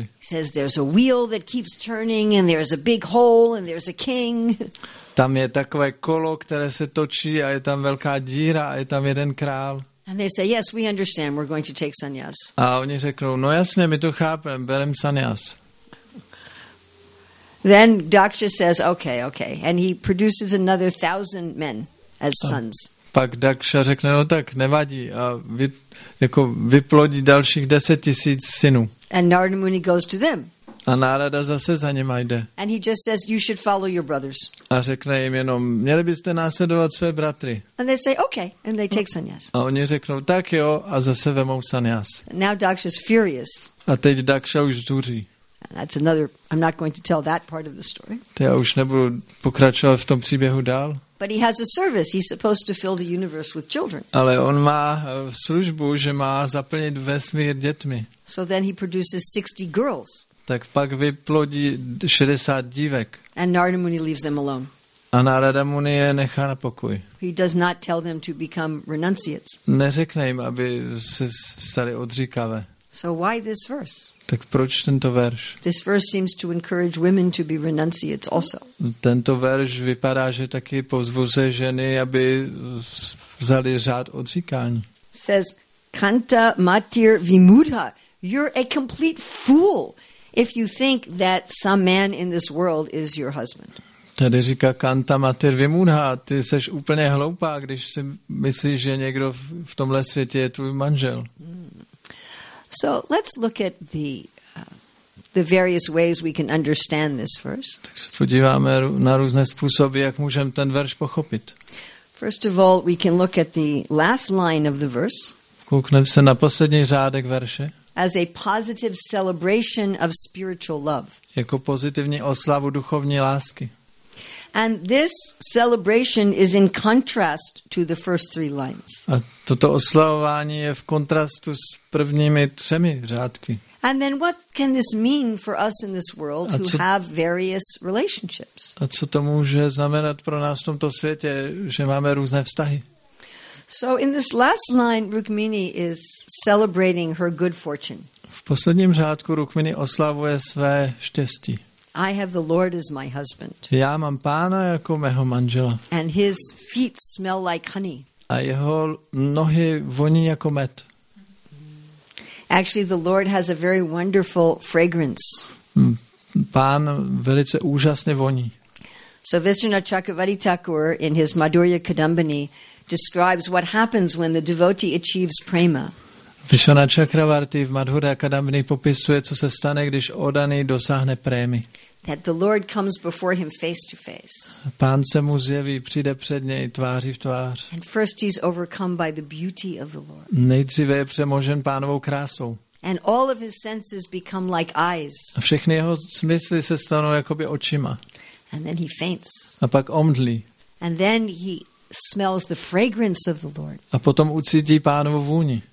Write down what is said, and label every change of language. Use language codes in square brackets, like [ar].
[en] He says there's a wheel that keeps turning and there's a big hole and there's a king. [cs] Tam je takové kolo, které se točí a je tam velká díra a je tam jeden král. [en] And they say, yes, we understand, we're going to take sannyas. [cs] A oni řeknou, no jasně, my to chápeme, bereme sannyas. [en] Then Daksha says, okay, okay. And he produces another 1,000 men as sons. [cs] Pak Daksha řekne, no tak, nevadí. A vyplodí dalších 10,000 synů. [en] And Narada Muni goes to them. [cs] A Narada zase za něma jde. [en] And he just says, you should follow your brothers. [cs] A řekne jim jenom, měli byste následovat své bratry. [en] And they say, okay. And they take sannyas. [cs] A oni řeknou, tak jo, a zase vemou sannyas. [en] Now Daksha's furious. [cs] A teď Daksha už zuří. [en] That's another, I'm not going to tell that part of the story. [cs] To já už nebudu pokračovat v tom příběhu dál. [en] But he has a service. He's supposed to fill the universe with children. [cs] Ale on má službu, že má zaplnit vesmír dětmi. [en] So then he produces 60 girls. [cs] Tak pak vyplodí 60 dívek. [en] And Narada Muni leaves them alone. [cs] A Narada Muni je nechá na pokoj. [en] He does not tell them to become renunciates. [cs] Neřekne jim, aby se stali odříkavé. [en] So why this verse? [cs] Tak proč tento verš? [en] This verse seems to encourage women to be renunciates also. [cs] Tento verš vypadá, že taky povzbuzuje ženy, aby vzali řád odříkání. [en] Says Kanta Matir Vimudha, you're a complete fool if you think that some man in this world is your husband. [cs] Tady říká Kanta Matir Vimudha, ty jsi úplně hloupá, když si myslíš, že někdo v tomhle světě je tvůj manžel. [en] So let's look at the various ways we can understand this verse. [cs] Tak se podíváme na různé způsoby, jak můžeme ten verš pochopit. [en] First of all, we can look at the last line of the verse. [cs] Koukneme se na poslední řádek verše. [en] As a positive celebration of spiritual love. [cs] Jako pozitivní oslavu duchovní lásky. [en] And this celebration is in contrast to the first three lines. [cs] A toto oslavování je v kontrastu s prvními třemi řádky. [en] And then what can this mean for us in this world who have various relationships? [cs] A co to může znamenat pro nás v tomto světě, že máme různé vztahy? [en] So in this last line, Rukmini is celebrating her good fortune. [cs] V posledním řádku Rukmini oslavuje své štěstí. [en] I have the Lord as my husband. [cs] Já mám pána jako mého manžela. [en] And his feet smell like honey. [cs] A jeho nohy voní jako med. [en] Actually, the Lord has a very wonderful fragrance. [cs] Pán velice úžasně voní. [en] So Vishnu Chakravarti Thakur in his Madhurya Kadambini describes what happens when the devotee achieves prema. [cs] Vishwanatha Chakravarti v Madhurya Kadambini popisuje, co se stane, když oddaný dosáhne prémy. [en] That the Lord comes before him face to face. [cs] Pán se mu zjeví, přijde před něj tváří v tvář. [en] And first he's overcome by the beauty of the Lord. [cs] Nejdříve je přemožen pánovou krásou. [en] And all of his senses become like eyes. [cs] A všechny jeho smysly se stanou jakoby očima. [en] And then he faints. [cs] A pak omdlí. [en] And then he smells the fragrance of the Lord. [cs] A potom ucítí pánovu vůni.